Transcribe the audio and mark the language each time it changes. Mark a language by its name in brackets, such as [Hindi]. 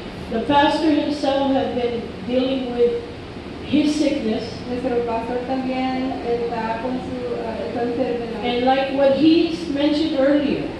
[English] the pastor himself has been dealing with his sickness. [Spanish] Nuestro pastor también está con su, está enfermo. [English] And like what he mentioned earlier,